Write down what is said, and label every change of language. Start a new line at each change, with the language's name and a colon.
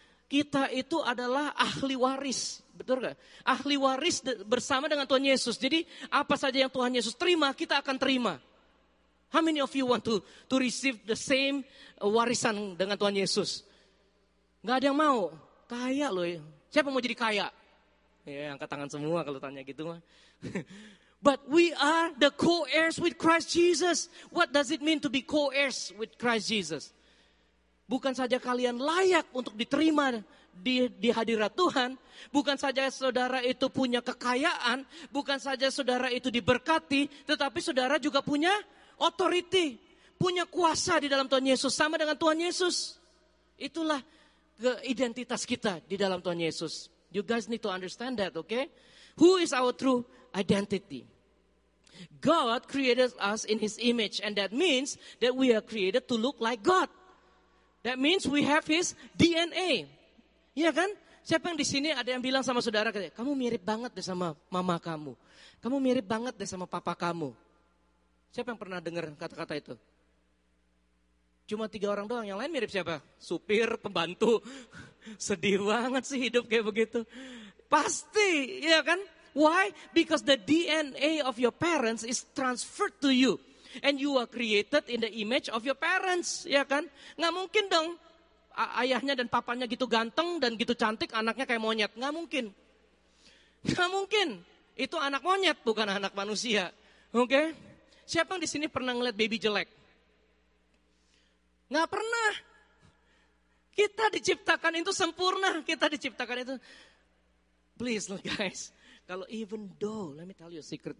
Indonesian: Kita itu adalah ahli waris. Betul gak? Ahli waris bersama dengan Tuhan Yesus. Jadi apa saja yang Tuhan Yesus terima, kita akan terima.
English: How many of you want to receive the same warisan
Indonesian: dengan Tuhan Yesus? Gak ada yang mau. Kaya loh. Siapa mau jadi kaya? Ya, angkat tangan semua kalau tanya gitu mah.
English: But we are the co-heirs with Christ Jesus. What does it mean to be co-heirs with Christ Jesus?
Indonesian: Bukan saja kalian layak untuk diterima di hadirat Tuhan, bukan saja saudara itu punya kekayaan, bukan saja saudara itu diberkati, tetapi saudara juga punya authority, punya kuasa di dalam Tuhan Yesus, sama dengan Tuhan Yesus. Itulah identitas kita di dalam Tuhan Yesus.
English: You guys need to understand that, okay? Who is our true identity? God created us in his image, and that means that we are created to look like God. That means we have his DNA.
Indonesian: Iya kan? Siapa yang di sini ada yang bilang sama saudara, kamu mirip banget deh sama mama kamu. Kamu mirip banget deh sama papa kamu. Siapa yang pernah dengar kata-kata itu? Cuma 3 orang doang, yang lain mirip siapa? Supir, pembantu. Sedih banget sih hidup kayak begitu. Pasti, iya kan?
English: Why? Because the DNA of your parents is transferred to you. And you are created in the image of your parents,
Indonesian: ya kan? Nggak mungkin dong ayahnya dan papanya gitu ganteng dan gitu cantik, anaknya kayak monyet. Nggak mungkin. Nggak mungkin. Itu anak monyet, bukan anak manusia. Oke? Siapa yang di sini pernah ngeliat baby jelek? Nggak pernah. Kita diciptakan itu sempurna. Kita diciptakan itu.
English: Please, guys.
Indonesian: Kalau
English: even though, let me tell you a secret.